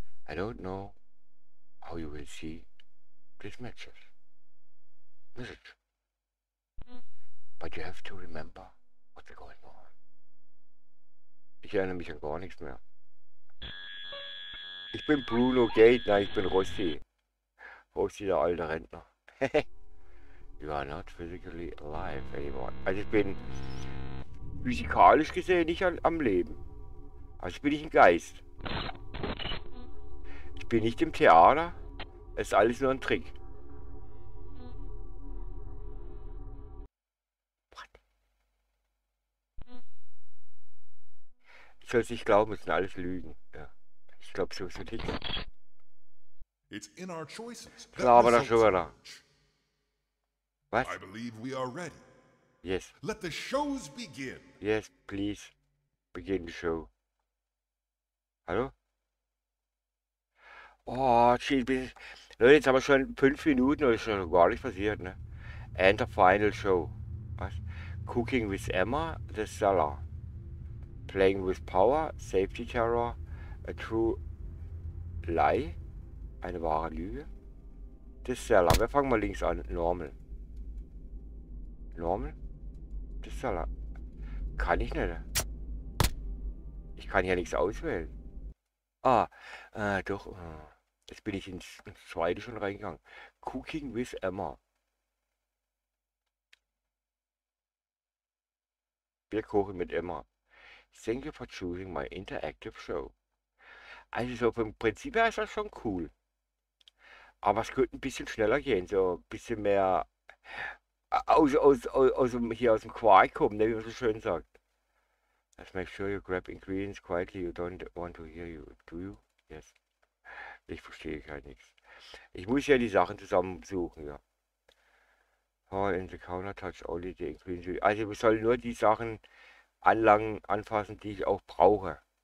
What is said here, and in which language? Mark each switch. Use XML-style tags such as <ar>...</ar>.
<en>I don't know how you will see this match. But you have to remember what's going on.</en> <de>Ich erinnere mich an gar nichts mehr. Ich bin Bruno Gate, nein, ich bin Rossi. Rossi, der alte Rentner.</de> <en>You are not physically alive anymore.</en> <de>Also ich bin physikalisch gesehen nicht am Leben. Also bin ich ein Geist. Ich bin nicht im Theater. Es ist alles nur ein Trick. Ich soll es nicht glauben, es sind alles Lügen. Ja. Ich glaube sowieso nicht. Glaube doch schon wieder. Was?</de> <en>I believe we are ready. Yes. Let the shows begin. Yes, please. Begin the show. Hallo? Oh, jeez.</en> <de>Leute, jetzt haben wir schon 5 Minuten und es ist schon gar nicht passiert.</de> <en>Ne? And the final show. Was? Cooking with Emma, the Seller. Playing with Power, Safety Terror, a True Lie,</en> <de>eine wahre Lüge. The Seller, wir fangen mal links an, Normal. Normal? The Seller. Kann ich nicht. Ich kann hier nichts auswählen. Ah, doch. Jetzt bin ich ins zweite schon reingegangen.</de> <en>Cooking with Emma.</en> <de>Wir kochen mit Emma.</de> <en>Thank you for choosing my interactive show.</en> <de>Also so vom Prinzip her ist das schon cool. Aber es könnte ein bisschen schneller gehen, so ein bisschen mehr aus dem Quark kommen, ne, wie man so schön sagt.</de> <en>Let's make sure you grab ingredients quietly, you don't want to hear you, do you? Yes.</en> <de>Ich verstehe gar nichts. Ich muss ja die Sachen zusammensuchen, ja.</de> <en>Oh, in the counter touch only the ingredients.</en> <de>Also wir sollen nur die Sachen Anlagen anfassen, die ich auch brauche.</de>